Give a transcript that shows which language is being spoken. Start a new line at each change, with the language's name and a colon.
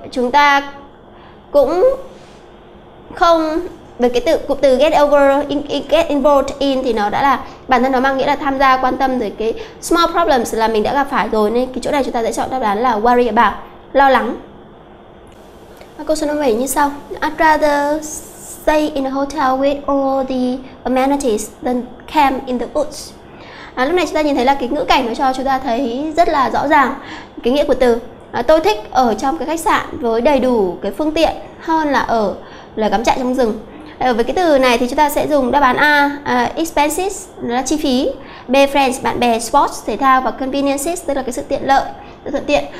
Vietnamese: Chúng ta cũng không, về cái từ cụm từ get over, get involved in thì nó đã là bản thân nó mang nghĩa là tham gia, quan tâm, rồi cái small problems là mình đã gặp phải rồi, nên cái chỗ này chúng ta sẽ chọn đáp án là worry about, lo lắng. Câu số 57 như sau.
English: I'd rather stay in a hotel with all the amenities than camp in the woods.
Vietnamese: Lúc này chúng ta nhìn thấy là cái ngữ cảnh nó cho chúng ta thấy rất là rõ ràng cái nghĩa của từ. Tôi thích ở trong cái khách sạn với đầy đủ cái phương tiện hơn là ở là cắm trại trong rừng. Với cái từ này thì chúng ta sẽ dùng đáp án A, expenses, nó là chi phí. B, friends, bạn bè, sports, thể thao và conveniences, tức là cái sự tiện lợi, sự thuận tiện.